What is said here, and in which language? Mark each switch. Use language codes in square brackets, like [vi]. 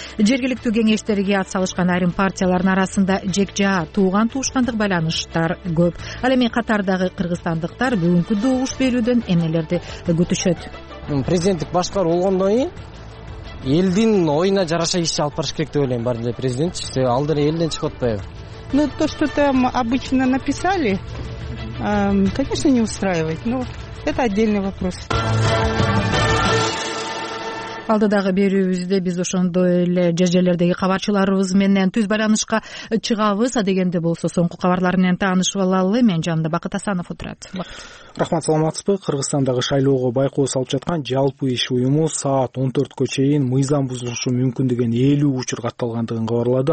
[ky] Жергиликтүү кеңештерге ат салышкан айрым партиялардын арасында жекжаа, тууган тууштандык байланыштар көп. Ал эми Катардагы кыргызстандыктар бүгүнкү добуш берүүдөн эмнелерди күтүшөт? Президенттик башкаруу болгондон кийин элдин оюна жараша иш алып барыш керек деп ойлойм баары эле президентчи, себеби ал деле элден чыгып атпайбы. [ru] Ну то что там обычно написали, конечно не устраивает, но это отдельный вопрос. [ky] Алдыдагы берүүбүздө биз ошондой эле жер жерлердеги кабарчыларыбыз менен түз байланышка чыгабыз. Адегенде болсо соңку кабарлар менен таанышып алалы. Мен жанымда Бакыт Асанов отурат. Рахмат, саламатсызбы. Кыргызстандагы шайлоого байкоо салып жаткан жалпы иш уюму саат 14:00 чейин мыйзам бузулушу мүмкүн деген 50 учур катталгандыгын кабарлады.